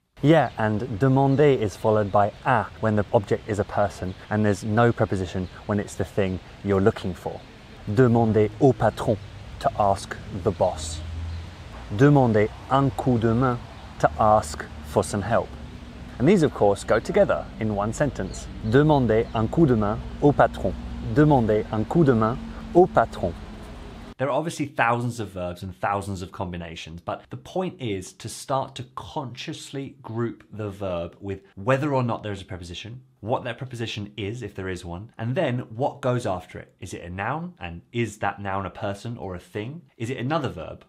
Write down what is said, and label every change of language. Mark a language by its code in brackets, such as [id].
[en] Yeah, and demander is followed by à when the object is a person and there's no preposition when it's the thing you're looking for. [fr] Demander au patron, [en] to ask the boss. [fr] Demander un coup de main, [en] to ask for some help. And these, of course, go together in one sentence. [fr] Demander un coup de main au patron. Demander un coup de main au patron. [en] There are obviously thousands of verbs and thousands of combinations, but the point is to start to consciously group the verb with whether or not there is a preposition, what that preposition is, if there is one, and then what goes after it. Is it a noun? And is that noun a person or a thing? Is it another verb?